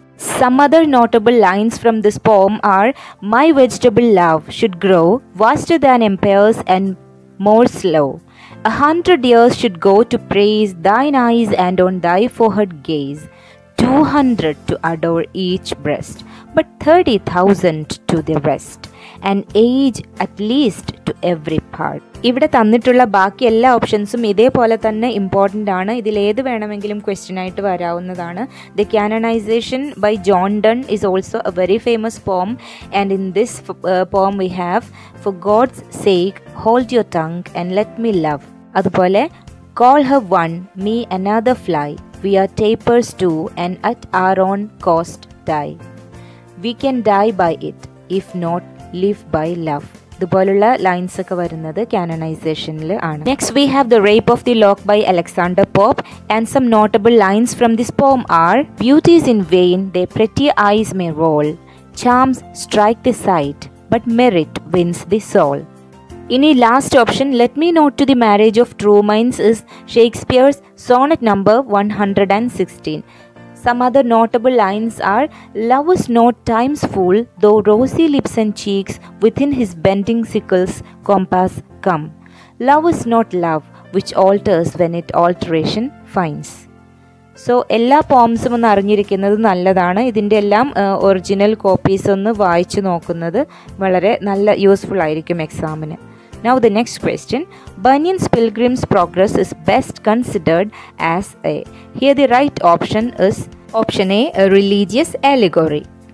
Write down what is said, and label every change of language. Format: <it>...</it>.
<en>Some other notable lines from this poem are, My vegetable love should grow vaster than empires and more slow. A 100 years should go to praise thine eyes and on thy forehead gaze. 200 to adore each breast, but 30,000 to the rest. An age at least to every part.</en> <ml>ഇവിടെ തന്നിട്ടുള്ള ബാക്കി എല്ലാ ഓപ്ഷൻസും ഇതേപോലെ തന്നെ important ആണ്. ഇതിലേത് വേണമെങ്കിലും question ആയിട്ട് വരാവുന്നതാണ്.</ml> <en>The canonization by John Donne is also a very famous poem. And in this poem we have, for God's sake hold your tongue and let me love. അതുപോലെ, call her one me another fly, we are tapers too and at our own cost die. We can die by it if not live by love.</en> <ml>ഇതുപോലുള്ള lines ഒക്കെ വരുന്നത് കാനണൈസേഷനിൽ ആണ്.</ml> <en>Next we have the rape of the lock by Alexander Pope and some notable lines from this poem are, beauties in vain the pretty eyes may roll, charms strike the sight but merit wins the soul. ഇനി last option, let me not to the marriage of true minds is Shakespeare's sonnet number 116. Some other notable lines are, Love is not time's fool, though rosy lips and cheeks within his bending sickle's compass come. Love is not love, which alters when it alteration finds.</en> <ml>So എല്ലാ പോംസും ഒന്ന് അറിഞ്ഞിരിക്കുന്നത് നല്ലതാണ്. ഇതിൻ്റെ എല്ലാം original copies ഒന്ന് വായിച്ചു നോക്കുന്നത് വളരെ നല്ല യൂസ്ഫുൾ ആയിരിക്കും എക്സാമിന്.</ml> <en>Now the next question, Bunyan's pilgrim's progress is best considered as a. Here the right option is option A, religious allegory.</en>